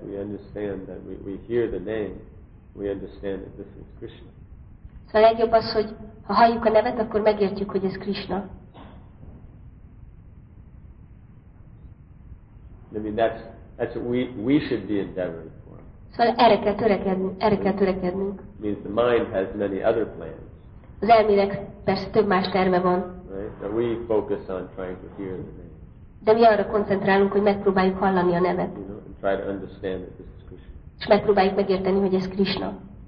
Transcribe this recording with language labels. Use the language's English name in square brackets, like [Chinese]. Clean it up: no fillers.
[English] We understand that we hear the name. We understand that this is Krishna. So [Hungarian] A legjobb az, hogy ha halljuk a nevet, akkor megértjük, hogy ez Krishna. [English] I mean, that's what we should be endeavoring for. [Hungarian] Szóval erre kell törekednünk. [English] It means the mind has many other plans. [Hungarian] Az elmének persze több más terve van. [English] Right? So we focus on trying to hear the name. [Hungarian] De mi arra koncentrálunk, hogy megpróbáljuk hallani a nevet. [English] You know, and try to understand that this is Krishna. [Hungarian] És megpróbáljuk megérteni, hogy ez Krishna.